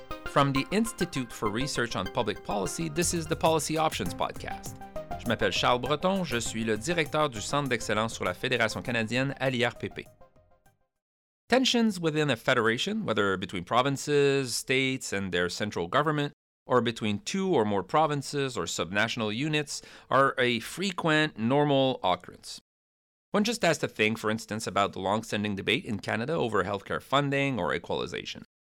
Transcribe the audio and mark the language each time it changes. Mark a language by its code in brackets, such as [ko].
[en] From the Institute for Research on Public Policy, this is the Policy Options Podcast. [fr] Je m'appelle Charles Breton, je suis le directeur du Centre d'excellence sur la Fédération canadienne à l'IRPP. [en] Tensions within a federation, whether between provinces, states, and their central government, or between two or more provinces or subnational units, are a frequent, normal occurrence. One just has to think, for instance, about the long-standing debate in Canada over healthcare funding or equalization.